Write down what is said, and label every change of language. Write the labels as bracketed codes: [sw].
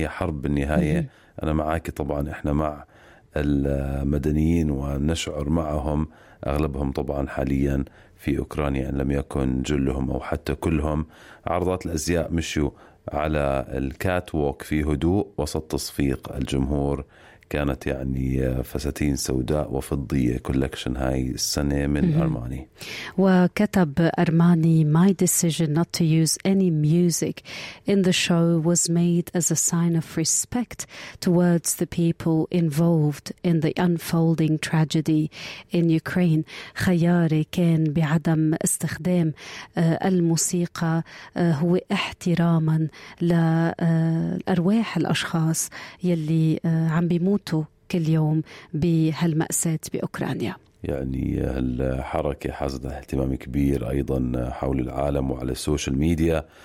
[ar] هي حرب بالنهاية، أنا معاك طبعا، إحنا مع المدنيين ونشعر معهم، أغلبهم طبعا حاليا في أوكرانيا إن لم يكن جلهم أو حتى كلهم. عرضات الأزياء مشوا على الكات ووك في هدوء وسط تصفيق الجمهور، كانت يعني فساتين سوداء وفضية كولكشن هاي السنة من أرماني. وكتب أرماني: [en] My decision not to use any music in the show was made as a sign of respect towards the people involved in the unfolding tragedy in Ukraine. [ar] خياري كان بعدم استخدام الموسيقى هو احتراما لأرواح الأشخاص يلي عم بيموت كل يوم بهالمأساة بأوكرانيا. يعني الحركة حازت اهتمام كبير أيضا حول العالم وعلى السوشيال ميديا.